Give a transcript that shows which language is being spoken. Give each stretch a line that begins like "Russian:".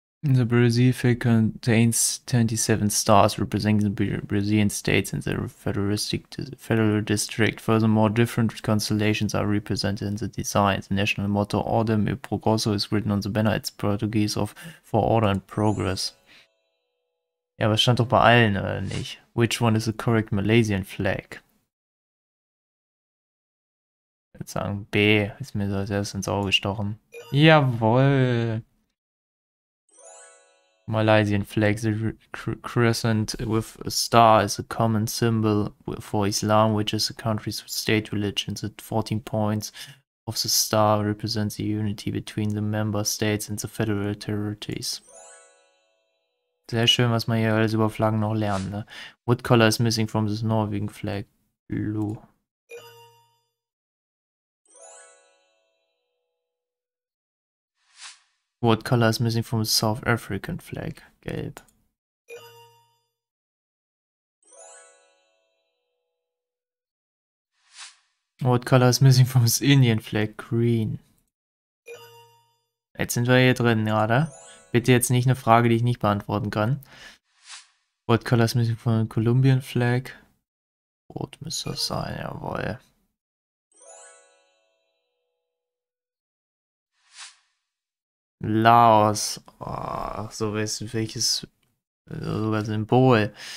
English: The Brazil Fake contains 27 stars representing the Brazilian states and the federal district. Furthermore, different constellations are represented in the design. The national motto
Portuguese: Ordem e Progresso
English: is written on the banner. It's Portuguese of for order and progress.
German: Ja, aber es stand doch bei allen, oder nicht?
English: Which one is the correct Malaysian flag?
German: Ich würde sagen B, ist mir so als erstes ins Auge gestochen. Jawohl!
English: Malaysian flag, the crescent with a star is a common symbol for Islam, which is the country's state religion. The 14 points of the star represent the unity between the member states and the federal territories.
German: Sehr schön, was man hier alles über Flaggen noch lernt. Ne?
English: What color is missing from this Norwegian flag? Blue. What color is missing from the South African flag?
German: Gelb.
English: What color is missing from the Indian flag? Green.
German: Jetzt sind wir hier drin gerade. Bitte jetzt nicht eine Frage, die ich nicht beantworten kann.
English: What color is missing from the Colombian flag?
German: Rot müsste das sein, jawohl. Laos, oh, so welches sogar Symbol.